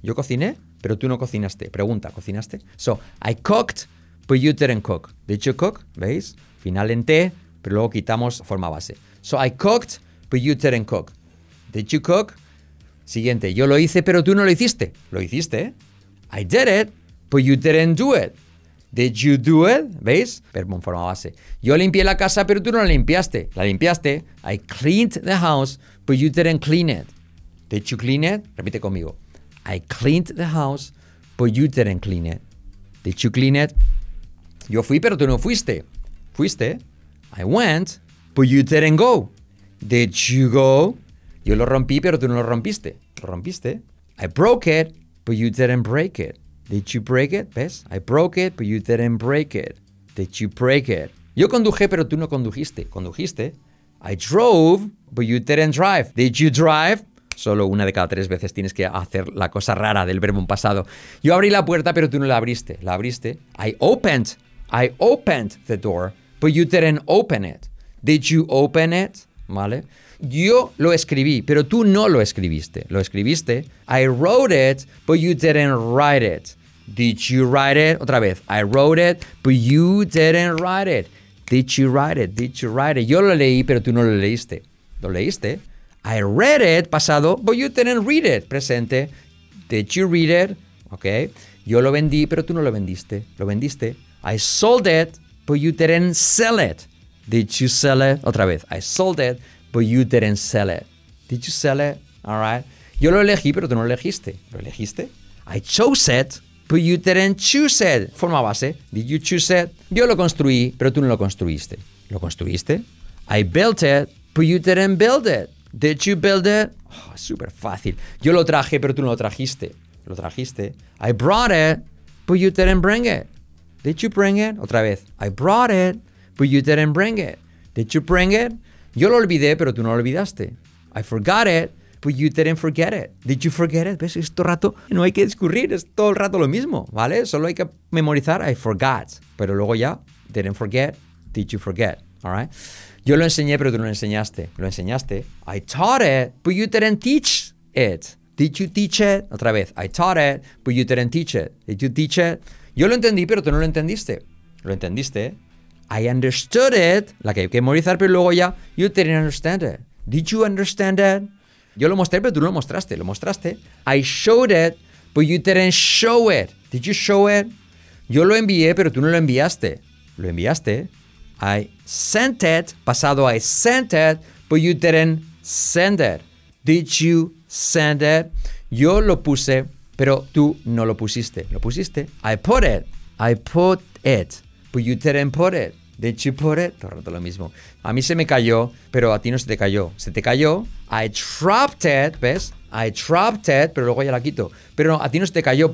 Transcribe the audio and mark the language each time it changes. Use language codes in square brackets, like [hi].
[es] Yo cociné, pero tú no cocinaste. Pregunta, ¿cocinaste? [en] So, I cooked, but you didn't cook. Did you cook? [es] ¿Veis? Final en T, pero luego quitamos forma base. [en] So I cooked, but you didn't cook. Did you cook? [es] Siguiente. Yo lo hice, pero tú no lo hiciste. Lo hiciste. [en] I did it, but you didn't do it. Did you do it? [es] ¿Veis? Verbo en forma base. Yo limpié la casa, pero tú no la limpiaste. La limpiaste. [en] I cleaned the house, but you didn't clean it. Did you clean it? [es] Repite conmigo. [en] I cleaned the house, but you didn't clean it. Did you clean it? [es] Yo fui, pero tú no fuiste. Fuiste. [en] I went, but you didn't go. Did you go? [es] Yo lo rompí, pero tú no lo rompiste. ¿Lo rompiste? [en] I broke it, but you didn't break it. Did you break it? [es] ¿Ves? [en] I broke it, but you didn't break it. Did you break it? [es] Yo conduje, pero tú no condujiste. ¿Condujiste? [en] I drove, but you didn't drive. Did you drive? [es] Solo una de cada tres veces tienes que hacer la cosa rara del verbo en pasado. Yo abrí la puerta, pero tú no la abriste. ¿La abriste? [en] I opened the door. But you didn't open it. Did you open it? [es] ¿Vale? Yo lo escribí, pero tú no lo escribiste. ¿Lo escribiste? [en] I wrote it, but you didn't write it. Did you write it? [es] Otra vez. [en] I wrote it, but you didn't write it. Did you write it? Did you write it? [es] Yo lo leí, pero tú no lo leíste. ¿Lo leíste? [en] I read it, pasado, but you didn't read it, presente. Did you read it? Okay. [es] Yo lo vendí, pero tú no lo vendiste. ¿Lo vendiste? [en] I sold it, but you didn't sell it. Did you sell it? [es] Otra vez. [en] I sold it, but you didn't sell it. Did you sell it? All right. [es] Yo lo elegí, pero tú no lo elegiste. ¿Lo elegiste? [en] I chose it, but you didn't choose it. [es] Forma base. [en] Did you choose it? [es] Yo lo construí, pero tú no lo construiste. ¿Lo construiste? [en] I built it, but you didn't build it. Did you build it? Oh, [es] súper fácil. Yo lo traje, pero tú no lo trajiste. ¿Lo trajiste? [en] I brought it, but you didn't bring it. Did you bring it? [es] Otra vez. [en] I brought it, but you didn't bring it. Did you bring it? [es] Yo lo olvidé, pero tú no lo olvidaste. [en] I forgot it, but you didn't forget it. Did you forget it? [es] ¿Ves? Es todo el rato. No hay que discurrir. Es todo el rato lo mismo, ¿vale? Solo hay que memorizar. [en] I forgot. [es] Pero luego ya, [en] didn't forget. Did you forget? All right. [es] Yo lo enseñé, pero tú no lo enseñaste. Lo enseñaste. [en] I taught it, but you didn't teach it. Did you teach it? [es] Otra vez. [en] I taught it, but you didn't teach it. Did you teach it? [es] Yo lo entendí, pero tú no lo entendiste. Lo entendiste. [en] I understood it. [es] La que hay que memorizar, pero luego ya. [en] You didn't understand it. Did you understand it? [es] Yo lo mostré, pero tú no lo mostraste. Lo mostraste. [en] I showed it, but you didn't show it. Did you show it? [es] Yo lo envié, pero tú no lo enviaste. Lo enviaste. [en] I sent it. Pasado, I sent it, but you didn't send it. Did you send it. [es] Yo lo puse, pero tú no lo pusiste. Lo pusiste. [en] I put it. I put it. But you didn't put it. Did you put it? [es] Todo el rato lo mismo. A mí se me cayó, pero a ti no se te cayó. Se te cayó. [en] I dropped it. [es] ¿Ves? I dropped it, pero luego ya la quito. Pero no, a ti no se te cayó.